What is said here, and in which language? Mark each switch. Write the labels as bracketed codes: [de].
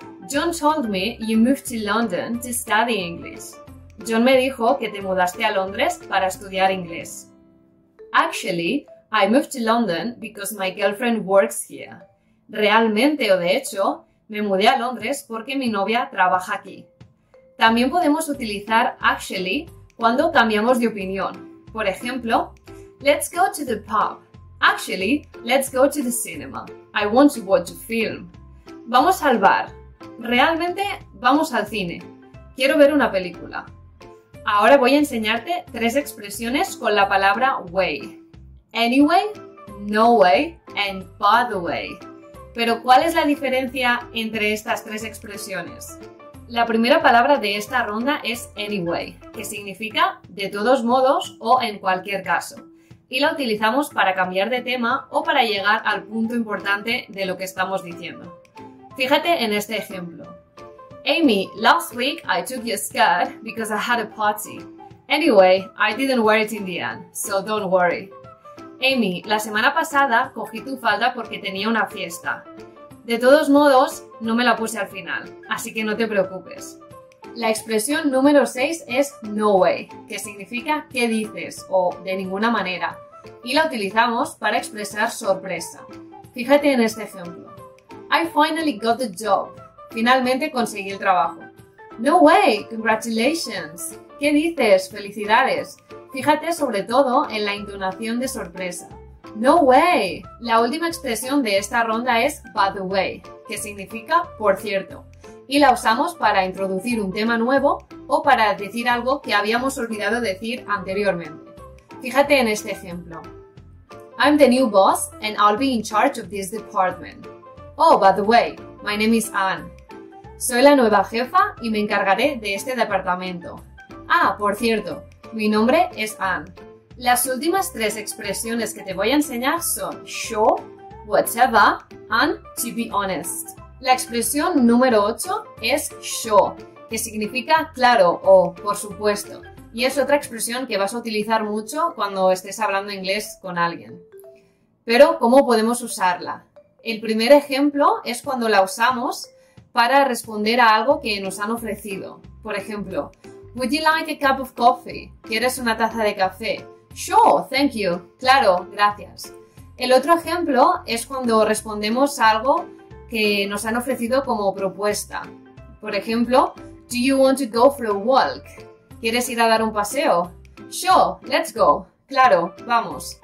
[en] John told me you moved to London to study English. [es] John me dijo que te mudaste a Londres para estudiar inglés. [en] Actually, I moved to London because my girlfriend works here. [es] Realmente o de hecho, me mudé a Londres porque mi novia trabaja aquí. También podemos utilizar actually cuando cambiamos de opinión. Por ejemplo, [en] let's go to the pub. Actually, let's go to the cinema. I want to watch a film. [es] Vamos al bar. Realmente vamos al cine. Quiero ver una película. Ahora voy a enseñarte tres expresiones con la palabra way. [en] Anyway, no way and by the way. [es] Pero ¿cuál es la diferencia entre estas tres expresiones? La primera palabra de esta ronda es anyway, que significa de todos modos o en cualquier caso. Y la utilizamos para cambiar de tema o para llegar al punto importante de lo que estamos diciendo. Fíjate en este ejemplo. [en] Amy, last week I took your skirt because I had a party. Anyway, I didn't wear it in the end, so don't worry. [es] Amy, la semana pasada cogí tu falda porque tenía una fiesta. De todos modos, no me la puse al final, así que no te preocupes. La expresión número 6 es no way, que significa qué dices o de ninguna manera, y la utilizamos para expresar sorpresa. Fíjate en este ejemplo. [en] I finally got the job. [es] Finalmente conseguí el trabajo. [en] No way, congratulations. [es] ¿Qué dices? Felicidades. Fíjate sobre todo en la entonación de sorpresa. No way. La última expresión de esta ronda es by the way, que significa por cierto. Y la usamos para introducir un tema nuevo o para decir algo que habíamos olvidado decir anteriormente. Fíjate en este ejemplo. [en] I'm the new boss and I'll be in charge of this department. Oh, by the way, my name is Anne. [es] Soy la nueva jefa y me encargaré de este departamento. Ah, por cierto, mi nombre es Anne. Las últimas tres expresiones que te voy a enseñar son [en] sure, whatever, and to be honest. [es] La expresión número 8 es sure, que significa claro o por supuesto, y es otra expresión que vas a utilizar mucho cuando estés hablando inglés con alguien. Pero, ¿cómo podemos usarla? El primer ejemplo es cuando la usamos para responder a algo que nos han ofrecido. Por ejemplo, [en] would you like a cup of coffee? [es] ¿Quieres una taza de café? [en] Sure, thank you. [es] Claro, gracias. El otro ejemplo es cuando respondemos a algo que nos han ofrecido como propuesta. Por ejemplo, [en] do you want to go for a walk? [es] ¿Quieres ir a dar un paseo? [en] Sure, let's go. [es] Claro, vamos.